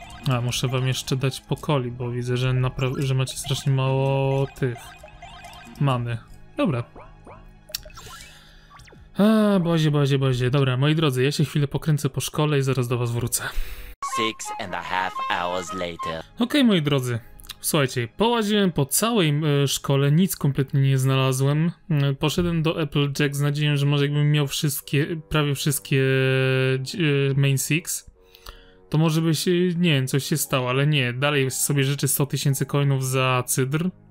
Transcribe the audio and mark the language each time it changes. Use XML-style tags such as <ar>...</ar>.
<pl>A, muszę wam jeszcze dać pokoli, bo widzę, że, że macie strasznie mało tych... Mamy. Dobra. A, bazie. Dobra, moi drodzy, ja się chwilę pokręcę po szkole i zaraz do was wrócę.</pl> <en>Six and a half hours later.</en> <pl>Okej, moi drodzy. Słuchajcie, połaziłem po całej szkole, nic kompletnie nie znalazłem. Poszedłem do Applejack z nadzieją, że może jakbym miał wszystkie, prawie wszystkie main six, to może by się, nie wiem, coś się stało, ale nie. Dalej sobie życzę 100 tysięcy coinów za cydr.</pl>